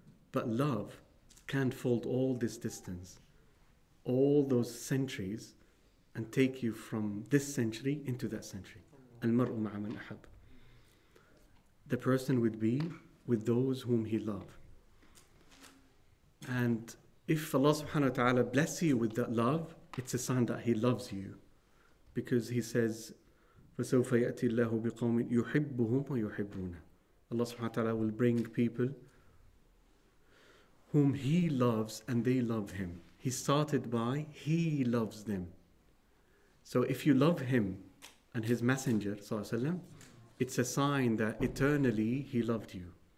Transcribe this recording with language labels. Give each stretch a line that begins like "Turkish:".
English: But love can fold all this distance, all those centuries, and take you from this century into that century.
Arabic: Al-mar'u ma'a man ahab.
English: The person would be with those whom he loved. And if Allah subhanahu wa ta'ala bless you with that love, it's a sign that he loves you. Because he says,
Arabic: فَسَوْفَ يَأْتِي اللَّهُ بِقَوْمٍ يُحِبُّهُمْ وَيُحِبُّونَ.
English: Allah subhanahu wa ta'ala will bring people whom he loves and they love him. He started by, he loves them. So if you love him and his messenger, sallallahu alayhi wa sallam, it's a sign that eternally he loved you.